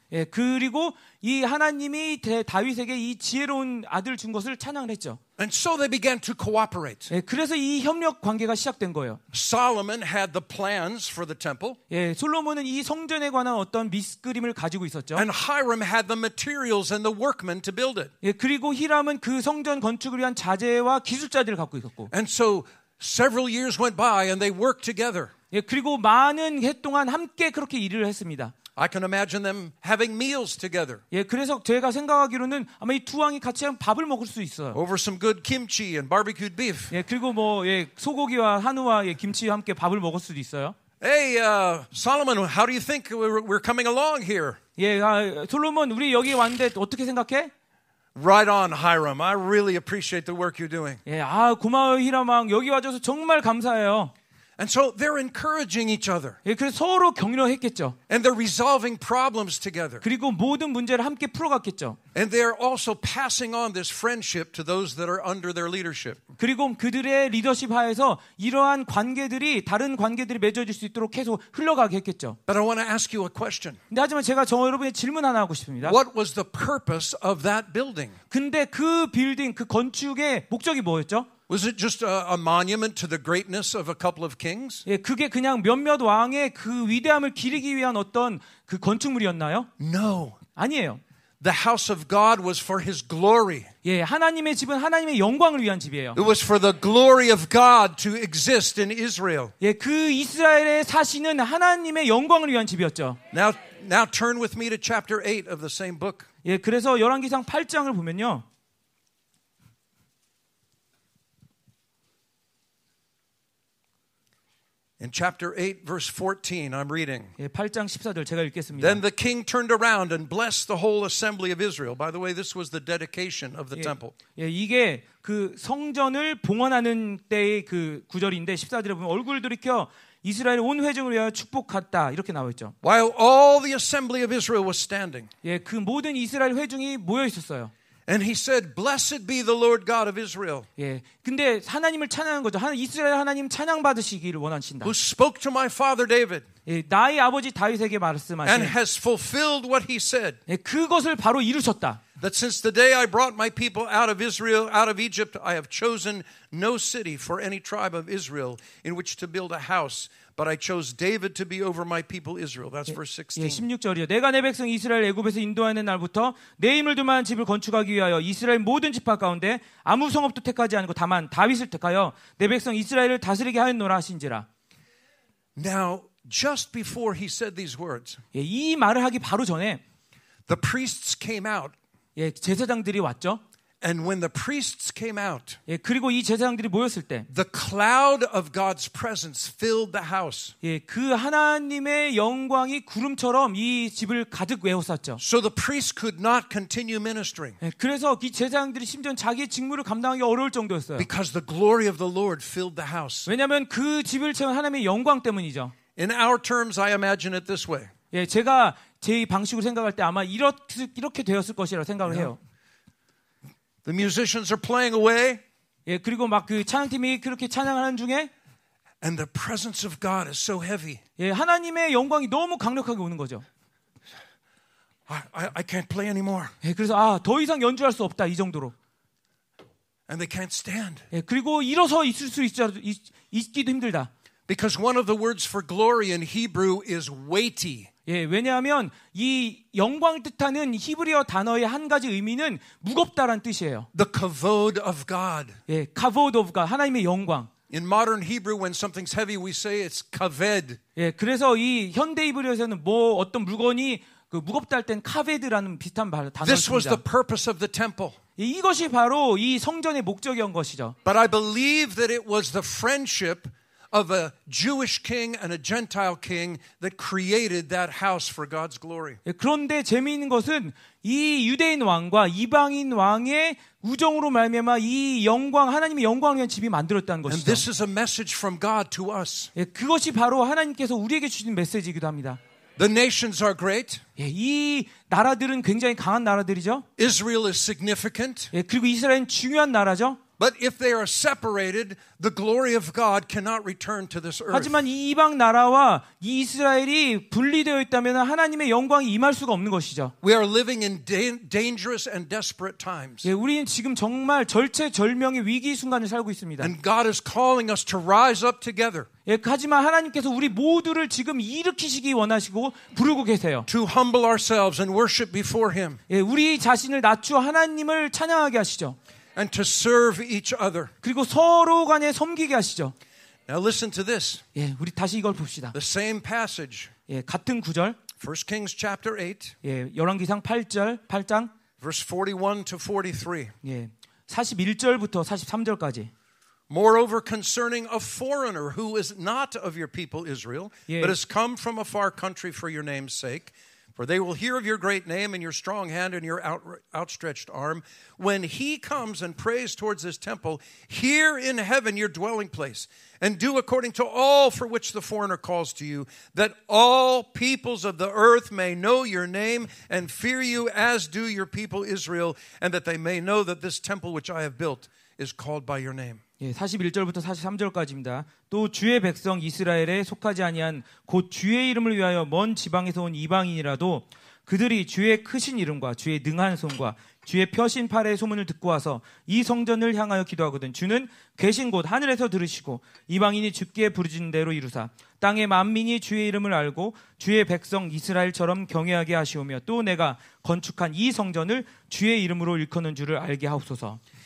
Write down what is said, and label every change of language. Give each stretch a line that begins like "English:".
Korean: 예, 그리고 이 하나님이 다윗에게 이 지혜로운 아들 준 것을 찬양을 했죠.
English: And so they began to cooperate.
Korean: 예, 그래서 이 협력 관계가 시작된 거예요.
English: Solomon had the plans for the temple.
Korean: 예, 솔로몬은 이 성전에 관한 어떤 미스그림을 가지고 있었죠.
English: And Hiram had the materials and the workmen to build it.
Korean: 예, 그리고 히람은 그 성전 건축을 위한 자재와 기술자들을 갖고 있었고.
English: And so several years went by and they worked together.
Korean: 예, 그리고 많은 해 동안 함께 그렇게 일을 했습니다.
English: I can imagine them having meals together.
Korean: 예, 그래서 제가 생각하기로는 아마 이 두 왕이 같이 밥을 먹을 수 있어요.
English: Over some good kimchi and barbecued beef.
Korean: 예, 그리고 뭐 예, 소고기와 한우와 예, 김치와 함께 밥을 먹을 수도 있어요.
English: Hey, Solomon, how do you think we're coming along here?
Korean: 예, 솔로몬 우리 여기 왔는데 어떻게 생각해?
English: Right on, Hiram. I really appreciate the work you're doing.
Korean: 예, 아, 고마워요, 히람 왕. 여기 와 줘서 정말 감사해요.
English: And so they're encouraging each other.
Korean: 예, 그래서 서로 격려했겠죠.
English: And they're resolving problems together.
Korean: 그리고 모든 문제를 함께 풀어갔겠죠.
English: And they're also passing on this friendship to those that are under their leadership.
Korean: 그리고 그들의 리더십 하에서 이러한 관계들이 다른 관계들이 맺어질 수 있도록 계속 흘러가게 했겠죠.
English: But I want to ask you a question.
Korean: 근데 하지만 제가 여러분에게 질문 하나 하고 싶습니다.
English: What was the purpose of that building?
Korean: 근데 그 빌딩, 그 건축의 목적이 뭐였죠?
English: Was it just a monument to the greatness of a couple of kings?
Korean: 예, 그게 그냥 몇몇 왕의 그 위대함을 기리기 위한 어떤 그 건축물이었나요?
English: No.
Korean: 아니에요.
English: The house of God was for His glory.
Korean: 예, 하나님의 집은 하나님의 영광을 위한 집이에요.
English: It was for the glory of God to exist in Israel.
Korean: 예, 그 이스라엘에 사시는 하나님의 영광을 위한 집이었죠.
English: Now turn with me to chapter 8 of the same book.
Korean: 예, 그래서 열왕기상 8장을 보면요.
English: In chapter 8, verse 14, I'm reading.
Korean: 예, 8장 14절 제가 읽겠습니다.
English: Then the king turned around and blessed the whole assembly of Israel. By the way, this was the dedication of the
Korean: 예,
English: temple.
Korean: 예, 이게 그 성전을 봉헌하는 때의 그 구절인데 14절에 보면 얼굴을 돌이켜 이스라엘 온 회중을 위하여 축복했다 이렇게 나와 있죠.
English: While all the assembly of Israel was standing.
Korean: 예, 그 모든 이스라엘 회중이 모여 있었어요.
English: And he said, "Blessed be the Lord God of Israel."
Korean: 예, 근데 하나님을 찬양한 거죠. 이스라엘 하나님 찬양받으시기를 원하신다.
English: Who spoke to my father David?
Korean: 예, 나의 아버지 다윗에게 말씀하신.
English: And has fulfilled what he said.
Korean: 예, 그것을 바로 이루셨다.
English: That since the day I brought my people out of Israel, out of Egypt, I have chosen no city for any tribe of Israel in which to build a house. But I chose David to be over my people Israel. That's verse 16.
Korean: 예, 16절이요. 내가 내 백성 이스라엘 애굽에서 인도하는 날부터 내 힘을 두만 집을 건축하기 위하여 이스라엘 모든 지파 가운데 아무 성읍도 택하지 않고 다만 다윗을 택하여 내 백성 이스라엘을 다스리게 하였노라 하신지라.
English: Now, just before he said these words,
Korean: 예, 이 말을 하기 바로 전에
English: the priests came out.
Korean: 예, 제사장들이 왔죠.
English: And when the priests came out,
Korean: 예, 그리고 이 제사장들이 모였을 때,
English: the cloud of God's presence filled the house.
Korean: 예, 그 하나님의 영광이 구름처럼 이 집을 가득 메웠었죠.
English: So the priests could not continue ministering.
Korean: 예, 그래서 이 제사장들이 심지어 자기의 직무를 감당하기 어려울 정도였어요.
English: Because the glory of the Lord filled the house.
Korean: 왜냐하면 그 집을 채운 하나님의 영광 때문이죠.
English: In our terms, I imagine it this way.
Korean: 예, 제가 제 방식으로 생각할 때 아마 이렇게 되었을 것이라고 생각을 해요.
English: The musicians are playing away.
Korean: 예, 그리고 막 그 찬양팀이 그렇게 찬양하는 중에
English: and the presence of God is so heavy.
Korean: 예, 하나님의 영광이 너무 강력하게 오는 거죠.
English: I can't play anymore.
Korean: 예, 그래서 아, 더 이상 연주할 수 없다 이 정도로.
English: And they can't stand.
Korean: 예, 그리고 일어서 있을 수 있기도 힘들다.
English: Because one of the words for glory in Hebrew is weighty.
Korean: 예, 왜냐하면 이 영광을 뜻하는 히브리어 단어의 한 가지 의미는 무겁다란 뜻이에요.
English: The kavod of God.
Korean: 예,
English: kavod of God.
Korean: 하나님의 영광.
English: In modern Hebrew, when something's heavy, we say it's kaved.
Korean: 예, 그래서 이 현대 히브리어에서는 뭐 어떤 물건이 그 무겁다 할 땐 kaved라는 비슷한 단어입니다.
English: This was the purpose of the temple.
Korean: 예, 이것이 바로 이 성전의 목적이었던 것이죠.
English: But I believe that it was the friendship of a Jewish king and a Gentile king that created that house for God's glory.
Korean: 그런데 재미있는 것은 이 유대인 왕과 이방인 왕의 우정으로 말미암아 이 영광 하나님의 영광을 위한 집이 만들었다는 것이죠.
English: And this is a message from God to us.
Korean: 그것이 바로 하나님께서 우리에게 주신 메시지이기도 합니다.
English: The nations are great.
Korean: 예, 이 나라들은 굉장히 강한 나라들이죠.
English: Israel is significant.
Korean: 예, 그리고 이스라엘은 중요한 나라죠.
English: But if they are separated, the glory of God cannot return to this earth.
Korean: 하지만 이 이방 나라와 이스라엘이 분리되어 있다면 하나님의 영광이 임할 수가 없는 것이죠.
English: We are living in dangerous and desperate times.
Korean: 예, 우리는 지금 정말 절체절명의 위기 순간을 살고 있습니다.
English: And God is calling us to rise up together.
Korean: 예, 하지만 하나님께서 우리 모두를 지금 일으키시기 원하시고 부르고 계세요.
English: To humble ourselves and worship before Him.
Korean: 예, 우리 자신을 낮추어 하나님을 찬양하게 하시죠.
English: And to serve each other.
Korean: 그리고 서로 간에 섬기게 하시죠.
English: Now listen to this.
Korean: 예, 우리 다시 이걸 봅시다.
English: The same passage.
Korean: 예, 같은 구절.
English: 1 Kings chapter 8.
Korean: 예, 열왕기상 8장.
English: Verse 41 to 43.
Korean: 예, 41절부터 43절까지.
English: Moreover, concerning a foreigner who is not of your people Israel, 예. but has come from a far country for your name's sake. For they will hear of your great name and your strong hand and your outstretched arm. When he comes and prays towards this temple, hear in heaven your dwelling place and do according to all for which the foreigner calls to you, that all peoples of the earth may know your name and fear you as do your people Israel, and that they may know that this temple which I have built is called by your name.
Korean: 예, 41절부터 43절까지입니다. 또 주의 백성 이스라엘에 속하지 아니한 곧 주의 이름을 위하여 먼 지방에서 온 이방인이라도 그들이 주의 크신 이름과 주의 능한 손과 주의 펴신 팔의 소문을 듣고 와서 이 성전을 향하여 기도하거든 주는 계신 곳 하늘에서 들으시고 이방인이 주께 부르짖는 대로 이루사 땅의 만민이 주의 이름을 알고 주의 백성 이스라엘처럼 경외하게 하시오며 또 내가 건축한 이 성전을 주의 이름으로 일컫는 줄을 알게 하옵소서.